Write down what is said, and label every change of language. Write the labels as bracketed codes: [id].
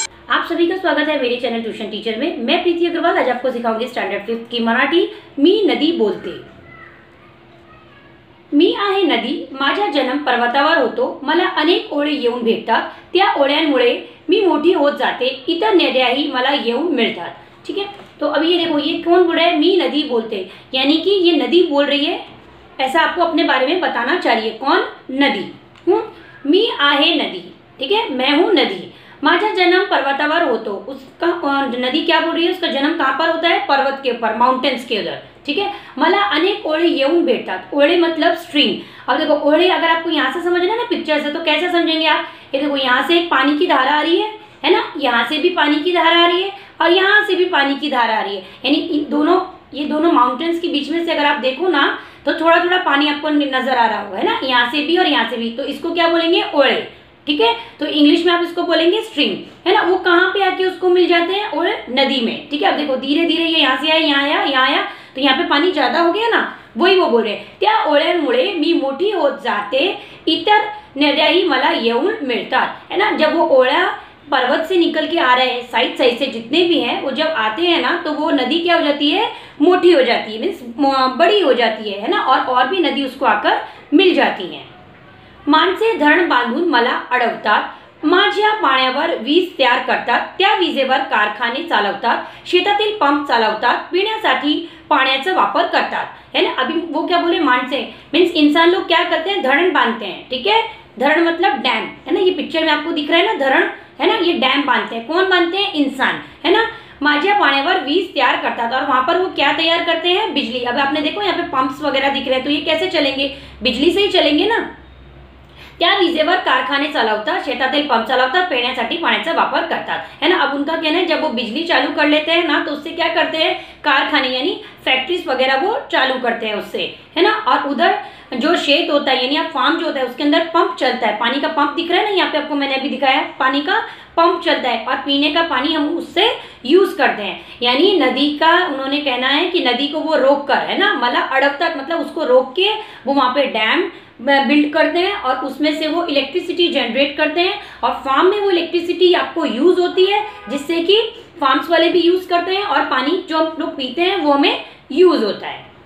[hi] आप सभी का स्वागत है मेरे चैनल ट्यूशन टीचर में। मैं प्रीति अग्रवाल आज आपको सिखाऊंगी स्टैंडर्ड 5 की मराठी। [mr] मी नदी बोलते। मी आहे नदी, माझा जन्म पर्वतावर होतो, मला अनेक ओळे येऊन भेटतात, त्या ओळ्यांमुळे मी मोठी होत जाते, इतर नद्याही मला येऊन मिळतात। ठीक आहे, [hi] तो अभी ये देखो, ये कौन बोल रहा है? [mr] मी नदी बोलते, [hi] यानी कि ये नदी बोल रही है, ऐसा आपको अपने बारे में बताना चाहिए। कौन? नदी हूँ। [mr] मी आहे नदी, [hi] ठीक है, मैं हूँ नदी। [mr] माझा जन्म पर्वतावर होतो, [hi] उसका नदी क्या बोल रही है, उसका जन्म कहाँ पर होता है? पर्वत के ऊपर, माउंटेन्स के उधर। ठीक है, [mr] मला अनेक ओळे येऊन भेटतात, ओळे [hi] मतलब स्ट्रीम। अब देखो, ओळे अगर आपको यहाँ से समझना है ना पिक्चर से, तो कैसे समझेंगे आप? ये देखो, यहाँ से एक पानी की धारा आ रही है ना, यहाँ से भी पानी की धारा आ रही है और यहाँ से भी पानी की धारा आ रही है, यानी दोनों, ये दोनों माउंटेन्स के बीच में से अगर आप देखो ना, तो थोड़ा थोड़ा पानी आपको नजर आ रहा होगा, है ना, यहाँ से भी और यहाँ से भी। तो इसको क्या बोलेंगे? ओळे। ठीक है, तो इंग्लिश में आप इसको बोलेंगे स्ट्रीम, है ना। वो कहाँ पे आके उसको मिल जाते हैं? और नदी में। ठीक है, अब देखो, धीरे धीरे ये यहाँ से आया, यहाँ आया, यहाँ आया, तो यहाँ पे पानी ज्यादा हो गया ना, वही वो बोल रहे हैं, [mr] त्या ओळ्यांमुळे मी मोठी होत जाते, इतर नद्याही मला येऊन मिळतात, [hi] है ना। जब वो ओळ्या पर्वत से निकल के आ रहे हैं, साइड साइड से जितने भी हैं, वो जब आते हैं ना, तो वो नदी क्या हो जाती है? मोटी हो जाती है, मीन्स बड़ी हो जाती है ना, और भी नदी उसको आकर मिल जाती है। [mr] माणसे धरण बांधून मला अडवतात, माझ्या पाण्यावर वीज तयार करतात, त्या विजेवर कारखाने चालवतात, शेतातील पंप चालवतात, पिण्यासाठी पाण्याचा वापर करतात, [hi] है ना। अभी वो क्या बोले? माणसे मीन्स इंसान लोग क्या करते हैं? धरण बांधते हैं। ठीक है, धरण मतलब डैम, है ना, ये पिक्चर में आपको दिख रहा है ना, धरण है ना, ये डैम बांधते हैं। कौन बांधते हैं? इंसान, है ना। [mr] माझ्या पाण्यावर वीज तयार करतात, [hi] और वहां पर वो क्या तयार करते हैं? बिजली। अब आपने देखो यहाँ पे पंप्स वगैरह दिख रहे हैं, तो ये कैसे चलेंगे? बिजली से ही चलेंगे ना। [mr] त्या विजेवर कारखाने चालवतात, शेतातील पंप चालवतात, पिण्यासाठी पाण्याचा वापर करतात, [hi] है ना। अब उनका कहना है, जब वो बिजली चालू कर लेते हैं ना, तो उससे क्या करते हैं? कारखाने यानी फैक्ट्रीज वगैरह वो चालू करते हैं उससे, है ना। और उधर जो शेत होता है यानी आप फार्म जो होता है, उसके अंदर पंप चलता है, पानी का पंप दिख रहा है ना यहाँ पे आपको, मैंने अभी दिखाया, पानी का पंप चलता है, और पीने का पानी हम उससे यूज करते हैं, यानी नदी का उन्होंने कहना है कि नदी को वो रोक कर, है ना, [mr] मला अड़कता [hi] मतलब उसको रोक के वो वहां पे डैम बिल्ड करते हैं, और उसमें से वो इलेक्ट्रिसिटी जनरेट करते हैं, और फार्म में वो इलेक्ट्रिसिटी आपको यूज होती है, जिससे कि फार्म्स वाले भी यूज करते हैं, और पानी जो हम लोग पीते हैं वो हमें यूज होता है।